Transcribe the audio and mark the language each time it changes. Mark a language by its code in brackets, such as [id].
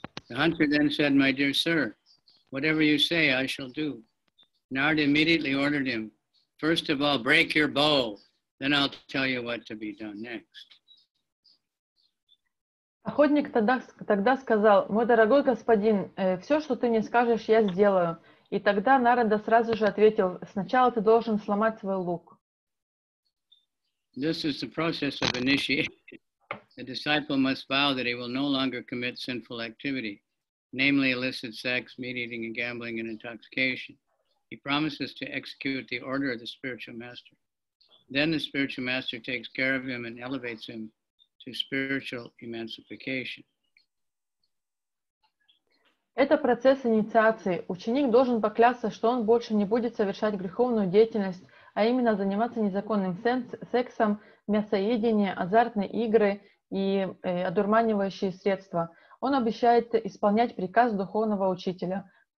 [en] The hunter then said, "My dear sir, whatever you say, I shall do." Narada immediately ordered him, "First of all, break your bow, then I'll tell you what to be done next." [ru] Охотник тогда сказал: "Мой дорогой господин, все, что ты мне скажешь, я сделаю." И тогда Нарада сразу же ответил: "Сначала ты должен сломать свой лук." [en] This is the process of initiation. A disciple must vow that he will no longer commit sinful activity, namely illicit sex, meat eating and gambling and intoxication. He promises to execute the order of the spiritual master. Then the spiritual master takes care of him and elevates him to spiritual emancipation. [ru] Это процесс инициации. Ученик должен поклясться, что он больше не будет совершать греховную деятельность, а именно заниматься незаконным сексом, мясоедением, азартные игры и одурманивающие средства. Он обещает исполнять приказ духовного учителя.